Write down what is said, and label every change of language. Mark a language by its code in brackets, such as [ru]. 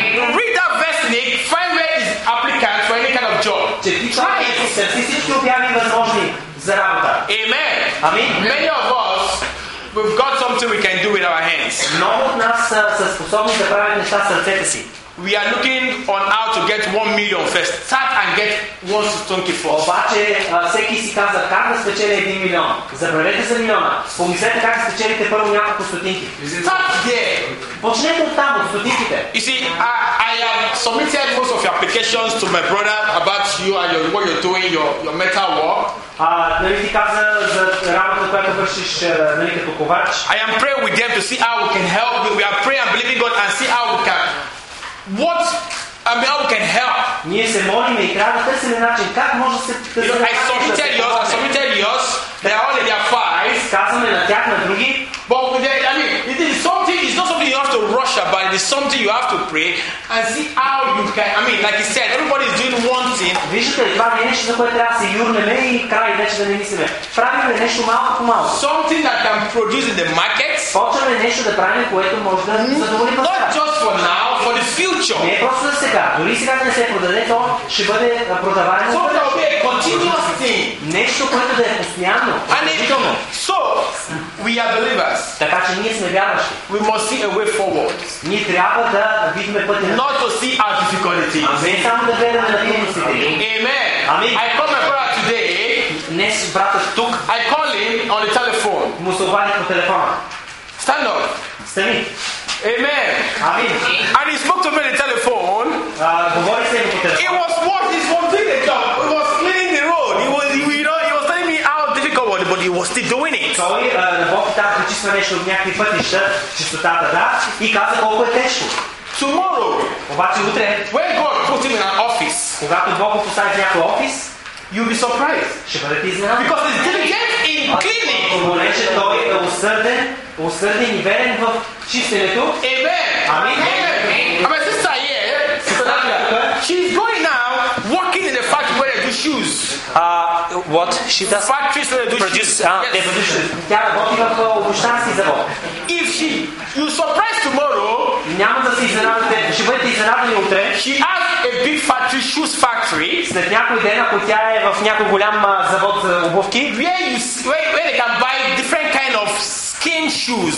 [en] Read that [bg] вестник, [en] find where is applicant for any kind of job. Try it. [bg] Търси всички обяви възможни за работа. [en] Amen. Amen. Many of us, we've got something we can do with our hands. [bg] Много от нас са способни да правят неща с ръцете си. [en] We are looking on how to get 1 million first. Start and get 1 stonky first. [bg] Обаче всеки си казва как да спечели 1 милион. Забравете за милиона. Помислете как да спечелите първо няколко стотинки. [en] Start there. [bg] Почнете от там, от стотинките. [en] You see, I have submitted most of your applications to my brother about you and what you're doing, your metal work. [bg] Нали ти каза за работа, която вършиш нали, като ковач? [en] I am praying with them to see how we can help. We are praying and believing God and see how we can. What I mean, how we can help? [bg] Ние се молим и трябва да търсим начин. Как може да се тази работа? [en] I submitted yours. They are all in their fives. [bg] Казваме на тях, на други. [en] But with their, I mean, it is something. It's not something you have to rush about. It is something you have to pray and see how you can. I mean, like you said, everybody is doing one thing. [bg] Виждате, това не е нещо, за което трябва да се юрнем и край вече да не мислиме. Правиме нещо малко по малко. [en] Something that can produce in the markets. [bg] Почваме нещо да правим, което може да задоволи пазара. [en] Not just for now, for the future. [bg] Не просто за сега. Дори сега да не се продаде, то ще бъде продаване. [en] So that will be a continuous thing. [bg] Нещо, което да е постоянно. Продължително. [en] So, we are believers. [bg] Така че ние сме вярващи. [en] We must see a way forward. [bg] Ние трябва да видим пътя. [en] Not to see our difficulties. [bg] Не само да гледаме на трудностите. [en] Amen. Amen. I call my brother today. [bg] Днес братът тук. [en] I call him on the telephone. [bg] Му се обадих по телефона. [en] Stand up. [bg] Стани. [en] Amen. Amen. And he spoke to me on the telephone. [bg] Говори с мен по телефона. [en] It was worth his one thing a job. It was cleaning the road. He was, you know, he was telling me how difficult it was, but he was still doing it. [bg] Почиства нещо от някакви пътища, чистотата, да, и каза колко е тежко. [en] Tomorrow, [bg] обаче утре, [en] when God puts him in an office, [bg] когато Бог го постави в някакъв офис, [en] you'll be surprised. [bg] Ще бъдете изненадани. [en] Because he's diligent in cleaning. [bg] Поне че той е усърден и верен в чистенето. [en] Amen. [bg] Амин. [en] My sister here, she's going now working in the factory where they do shoes. What she does? Factories where they produce. They produce. [bg] Тя работи в обуштарски завод. [en] If she, you surprise tomorrow. [bg] няма да се изненадате, ще бъдете изненадани утре. [en] She has a big factory, shoes factory. [bg] След някой ден, ако тя е в някой голям завод за обувки, [en] where they can buy different kind of skin shoes.